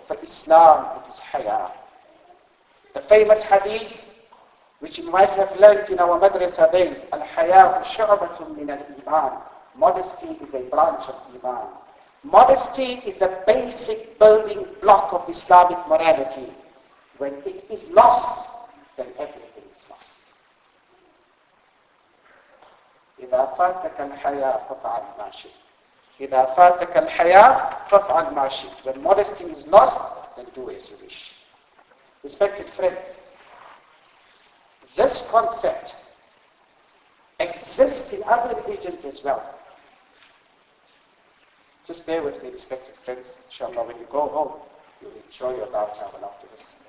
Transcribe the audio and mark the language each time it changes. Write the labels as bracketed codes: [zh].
[en] For Islam, it is haya. The famous hadith, which you might have learned in our madrasa days, [ar] al-haya shu'batun min al-iman. [en] Modesty is a branch of iman. Modesty is a basic building block of Islamic morality. When it is lost, then everything is lost. [ar] إذا فاتك الحياة فتعلم ما شئت. إذا فاتك الحياة فافعل ما شئت. [en] When modesty is lost, then do as you wish. Respected friends, this concept exists in other religions as well. Just bear with me, respected friends, inshallah, when you go home, you'll enjoy your love travel after this.